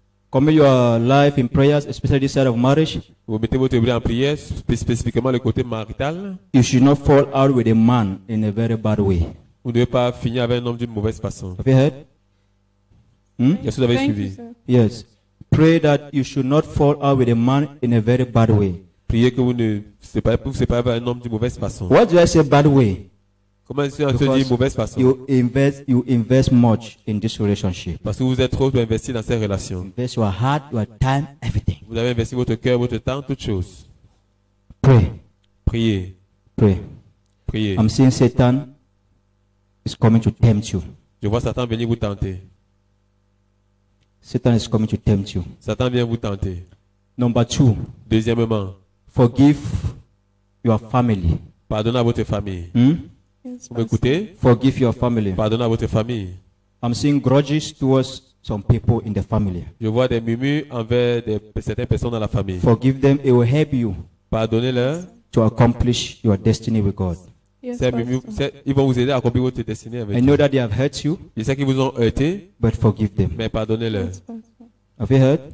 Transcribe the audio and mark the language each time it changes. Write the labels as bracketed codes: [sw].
[en] Commit your life in prayers, especially this side of marriage. [fr] Vous mettez votre vie en prière, spécifiquement le côté marital. [en] You should not fall out with a man in a very bad way. [fr] Vous ne devez pas finir avec un homme d'une mauvaise façon. [en] Have you heard? [fr] Hmm? Yes, vous avez suivi. [en] Yes. Pray that you should not fall out with a man in a very bad way. [fr] Priez que vous ne séparez pas avec un homme d'une mauvaise façon. [en] What do I say, bad way? [fr] Comment est-ce que tu dis mauvaise façon? [en] You invest much in this relationship. [fr] Parce que vous êtes trop investi dans cette relation. [en] Invest your heart, your time, everything. [fr] Vous avez investi votre cœur, votre temps, toutes choses. [en] Pray. [fr] Priez. [en] Pray. [fr] Priez. [en] I'm seeing Satan is coming to tempt you. [fr] Je vois Satan venir vous tenter. [en] Satan is coming to tempt you. [fr] Satan vient vous tenter. [en] Number two. [fr] Deuxièmement. [en] Forgive your family. [fr] Pardonne à votre famille. Hmm? Vous m'écoutez? [en] Forgive your family. [fr] Pardonne à votre famille. [en] I'm seeing grudges towards some people in the family. [fr] Je vois des murmures envers certaines personnes dans la famille. [en] Forgive them, it will help you. [fr] Pardonnez-leur. [en] To accomplish your destiny with God. Yes, [fr] ils vont vous aider à accomplir votre destinée avec [en] I know that they have hurt you. [fr] Je sais qu'ils vous ont heurté. [en] But forgive them. [fr] Mais pardonnez-leur. [en] Have you heard?